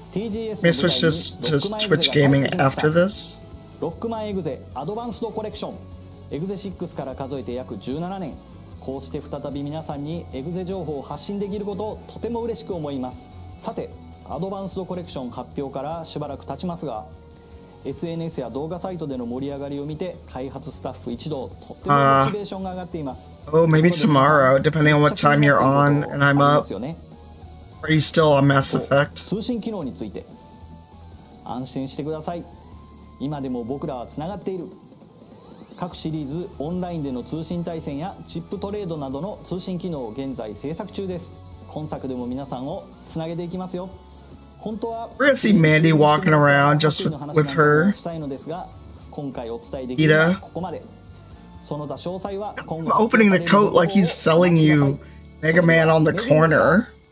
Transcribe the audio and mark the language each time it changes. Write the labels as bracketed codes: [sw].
[en] May I switch this to Twitch Gaming after this? [ja] ロックマンエグゼアドバンスドコレクション、エグゼ6から数えて約17年、こうして再び皆さんにエグゼ情報を発信できることをとても嬉しく思います。さてアドバンスドコレクション発表からしばらく経ちますが、 SNS や動画サイトでの盛り上がりを見て開発スタッフ一同とってもモチベーションが上がっています。 [en] Oh, maybe tomorrow, depending on what time you're on and I'm up. Are you still on Mass Effect? [ja] 通信機能について、安心してください、今でも僕らはつながっている。各シリーズオンラインでの通信対戦やチップトレードなどの通信機能を現在制作中です。今作でも皆さんをつなげていきますよ。本当は [en] We're gonna see Mandy walking around just with her. [ja] したいのですが、今回お伝えできるのはここまで。その他詳細は今後。 [en] Opening the coat like he's selling you Mega Man on the corner.